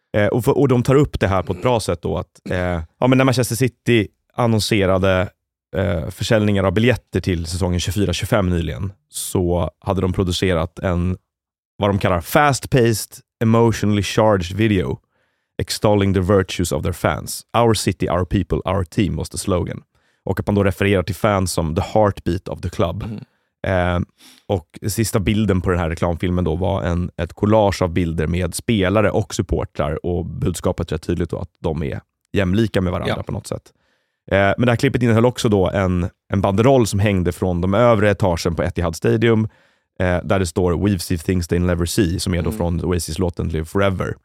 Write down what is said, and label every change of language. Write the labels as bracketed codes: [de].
[sv] Och de tar upp det här på ett bra sätt då, att ja, men när Manchester City annonserade försäljningar av biljetter till säsongen 24-25 nyligen, så hade de producerat en, vad de kallar, [en] fast-paced, emotionally charged video extolling the virtues of their fans. Our city, our people, our team was the slogan. [sv] Och att man då refererar till fans som [en] the heartbeat of the club. [sv] Och sista bilden på den här reklamfilmen då var ett collage av bilder med spelare och supportrar, och budskapet rätt tydligt då att de är jämlika med varandra, ja, på något sätt. Men det här klippet innehöll också då en banderoll som hängde från de övre etagen på Etihad Stadium, där det står [en] We've seen things they never see, [sv] som är då från Oasis låten Live Forever.